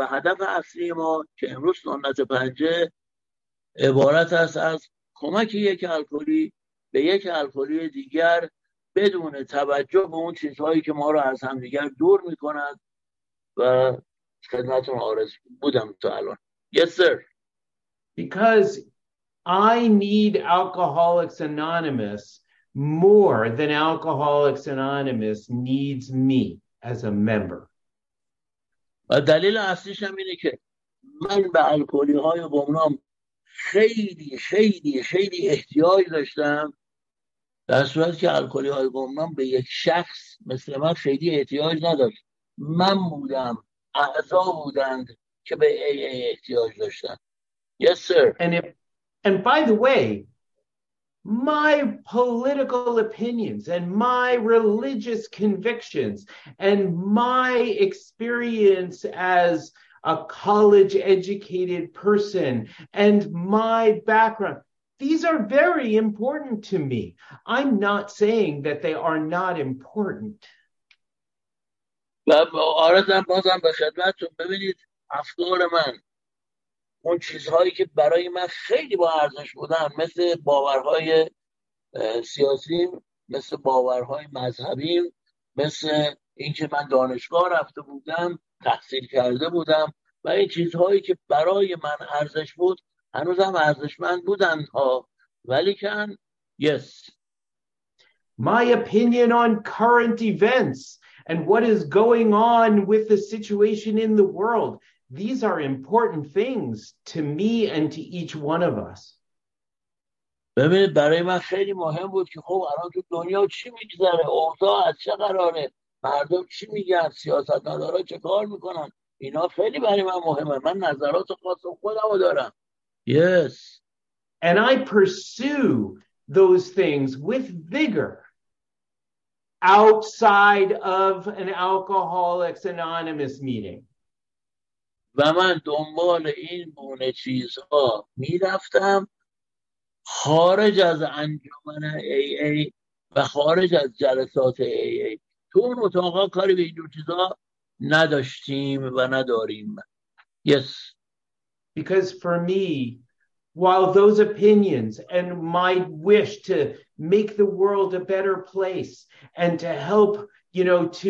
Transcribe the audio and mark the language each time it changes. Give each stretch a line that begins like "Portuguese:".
Persian: و هدف اصلی ما که امروز سنت پنجه عبارت است از کمک یک الکلی به یک الکلی دیگر بدون توجه به اون چیزهایی که ما رو از همدیگر دور می کند. و خدمتتون عارض بودم تا الان.
English: Yes, sir. Because I need Alcoholics Anonymous more than Alcoholics Anonymous needs me as a member.
Persian: و دلیل اصلیش هم اینه که من به الکلی های گمنام خیلی خیلی خیلی احتیاج داشتم، در صورتی که الکلی های گمنام به یک شخص مثل من خیلی احتیاج نداشت. من بودم، اعضا بودند که به AA احتیاج داشتند.
English: Yes, sir. And by the way, my political opinions and my religious convictions and my experience as a college educated person and my background, these are very important to me. I'm not saying that they are not important.
Persian: و آرزم بازم به خدمتتون. ببینید افکار من، اون چیزهایی که برای من خیلی با ارزش بودن، مثل باورهای سیاسی، مثل باورهای مذهبی، مثل اینکه من دانشگاه رفته بودم، تحصیل کرده بودم و این چیزهایی که برای من ارزش بود هنوزم ارزشمند بودن ها، ولیکن
English: yes. My opinion on current events and what is going on with the situation in the world, these are important things to me and to each one of us.
Persian: ببینید برای من خیلی مهم بود که خب الان تو دنیا چی میگذره، اوضاع از چه قراره، مردم چی میگن، سیاستمدارا چه کار میکنن، اینا خیلی برای من مهمه. من نظرات خاص خودمو دارم.
English: Yes. And I pursue those things with vigor outside of an Alcoholics Anonymous meeting.
Persian: و من دنبال این گونه چیزها می رفتم خارج از انجمن AA و و خارج از جلسات AA. تو اون اتاقا کاری به اینجور چیزا نداشتیم و نداریم.
English: Yes. Because for me, while those opinions and my wish to make the world a better place and to help, you know,